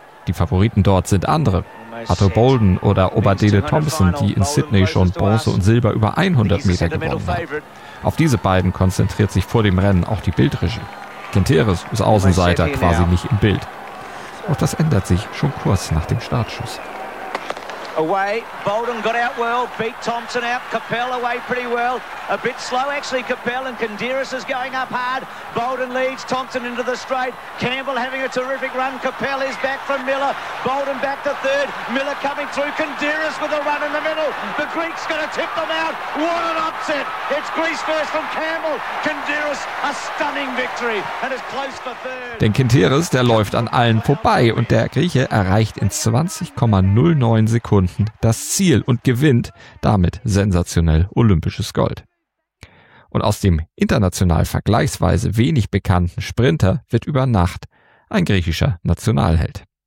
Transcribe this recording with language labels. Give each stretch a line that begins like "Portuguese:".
German: Die Favoriten dort sind andere. Otto Bolden oder Obadele Thompson, die in Sydney schon Bronze und Silber über 100 Meter gewonnen haben. Auf diese beiden konzentriert sich vor dem Rennen auch die Bildregie. Kenteris ist Außenseiter, quasi nicht im Bild. Auch das ändert sich schon kurz nach dem Startschuss.
English: away. Bolden got out well, beat Thompson out. Capel away pretty well. A bit slow actually, Capel, and Kandiris is going up hard. Bolden leads Thompson into the straight. Campbell having a terrific run. Capel is back from Miller. Bolden back to third. Miller coming through. Kandiris with a run in the middle. The Greek's going to tip them out. What an upset. It's Greece first from Campbell. Kandiris, a stunning victory. And it's close for third.
German: Denn Kandiris, der läuft an allen vorbei. Und der Grieche erreicht in 20,09 Sekunden das Ziel und gewinnt damit sensationell olympisches Gold. Und aus dem international vergleichsweise wenig bekannten Sprinter wird über Nacht ein griechischer Nationalheld.